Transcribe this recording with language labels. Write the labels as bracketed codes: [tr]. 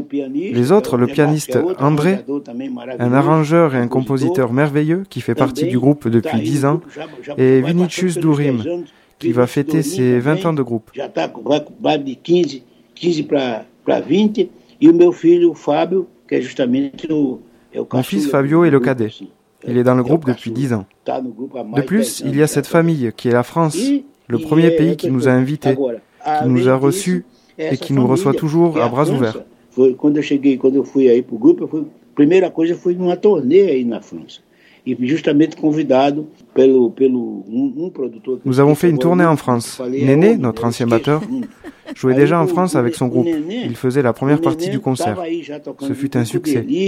[fr] Les autres, le pianiste André, un arrangeur et un compositeur merveilleux qui fait partie du groupe depuis 10 ans, et Vinicius Durim, qui va fêter ses 20 ans de groupe. [pt] 15 para 20, e o meu filho, o Fábio, que é justamente o cachorro. [fr] Mon fils Fabio est le cadet. Il est dans le groupe depuis 10 ans. De plus, il y a cette famille qui est la France, le premier pays qui nous a invités, qui nous a reçus et qui nous reçoit toujours à bras ouverts. [pt] Foi quando eu cheguei, quando eu fui aí pro grupo, foi a primeira coisa foi numa turnê aí na França. E justamente convidado pelo produtor. [fr] Nous avons fait une tournée en France. Nené, notre ancien batteur, jouait déjà en France avec son groupe. Il faisait la première partie du concert. Ce fut un succès.